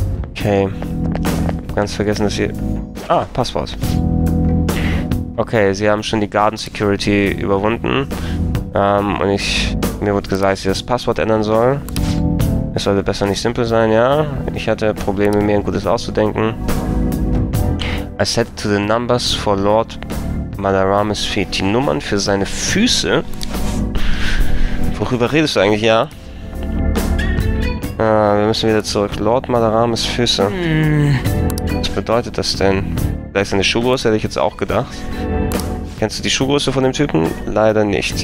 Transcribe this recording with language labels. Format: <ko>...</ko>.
<de>Okay. Ganz vergessen, dass hier... Ah, Passwort. Okay, sie haben schon die Garden Security überwunden. Und ich... Mir wurde gesagt, dass ich das Passwort ändern soll. Es sollte besser nicht simpel sein, ja. Ich hatte Probleme, mir ein gutes auszudenken.</de> <en>I set to the numbers for Lord Malaramis' feet.</en> <de>Die Nummern für seine Füße? Worüber redest du eigentlich, ja? Wir müssen wieder zurück. Lord Malaramis' Füße. Was bedeutet das denn? Vielleicht seine Schuhgröße, hätte ich jetzt auch gedacht. Kennst du die Schuhgröße von dem Typen? Leider nicht.</de>